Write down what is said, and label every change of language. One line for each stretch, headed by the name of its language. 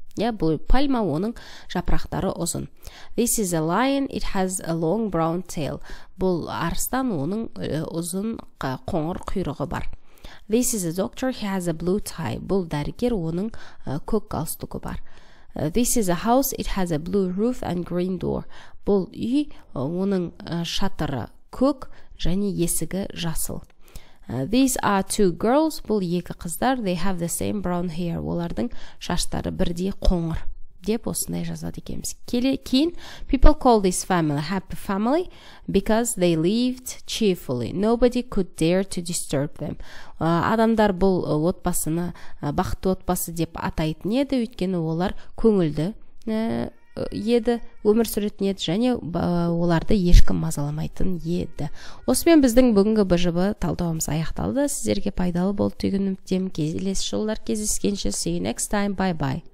Kazakh: Yeah, бұл пальма, оның жапырақтары ұзын.
English: This is a lion. It has a long brown tail.
Kazakh: Бұл арыстан, оның ұзын қоңыр құйрығы бар.
English: This is a doctor. He has a blue tie.
Kazakh: Бұл дәрігер, оның көк галстугы бар.
English: This is a house. It has a blue roof and green door.
Kazakh: Бұл үй, оның шатыры көк және есігі жасыл.
English: These are two girls.
Kazakh: Бұл екі қыздар.
English: They have the same brown hair.
Kazakh: Олардың шаштары бірдей қоңыр. Деп осындай жазады екеміз.
English: Кейін, people call this family happy family because they lived cheerfully. Nobody could dare to disturb them.
Kazakh: Адамдар бұл отбасыны бақытты отбасы деп атайтын еді, өйткені олар көңілді еді, өмір сүретін еді, және оларды ешкім мазаламайтын еді. Осымен біздің бүгінгі БЖБ талдауымыз аяқталды. Сіздерге пайдалы болды деген үміттемін. Келесі жолдар кездескенше,
English: see you next time, bye bye.